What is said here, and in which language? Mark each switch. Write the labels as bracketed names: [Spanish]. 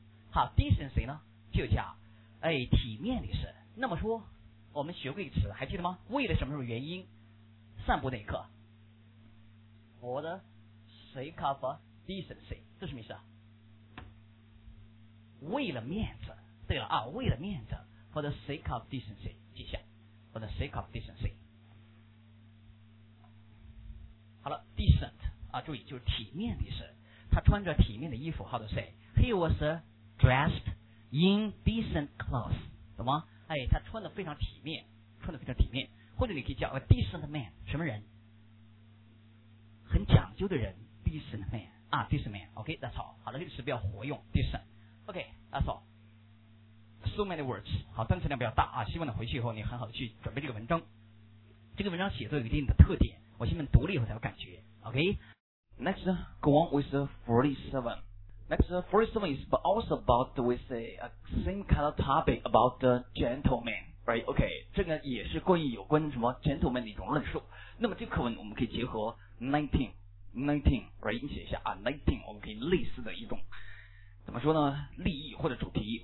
[Chinese] 好 ，decency 呢就叫哎体面的意思。那么说，我们学过一个词，还记得吗？为了什么什么原因？散步那一刻 [English] for the sake of decency， [Chinese] 这什么意思啊？为了面子。对了啊，为了面子 [English] for the sake of decency， [Chinese] 记下 for the sake of decency。好了 decent 啊，注意就是体面的意思，他穿着体面的衣服。 [English] how to say he was dressed in decent clothes， [Chinese] 懂吗？哎，他穿得非常体面，穿得非常体面。或者你可以叫 [English] a decent man， [Chinese] 什么人？很讲究的人 ，decent man 啊 ，decent man。 [English] OK， that's all。 [Chinese] 好了，这个词比较活用 ，decent。 [English] OK， that's all。 So many words。 [Chinese] 好，单词量比较大啊，希望你回去以后你很好的去准备这个文章。这个文章写作有一定的特点，我希望读了以后才有感觉。 [English] OK， next， go on with 47。 Next 47 is but also about with a same kind of topic about the gentleman。 Right, OK， [Chinese] 这个也是关于有关什么 gentleman 的一种论述。那么这课文我们可以结合 19 right， 写一下啊 19， 我们可以类似的一种怎么说呢，利益或者主题。